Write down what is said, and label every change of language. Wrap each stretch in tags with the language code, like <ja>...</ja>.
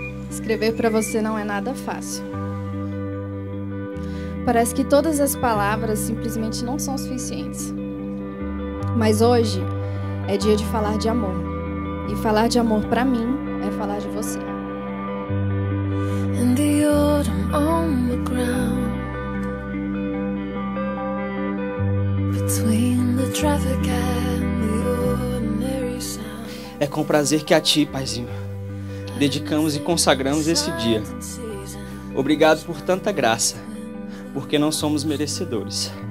<pt>Escrever para você não é nada fácil. Parece que todas as palavras simplesmente não são suficientes. Mas hoje é dia de falar de amor. E falar de amor para mim é falar de você.</pt> <en>In the autumn on the ground, between the traffic and the ordinary sound.</en> <pt>É com prazer que a ti, paizinho, dedicamos e consagramos esse dia. Obrigado por tanta graça, porque não somos merecedores.</pt>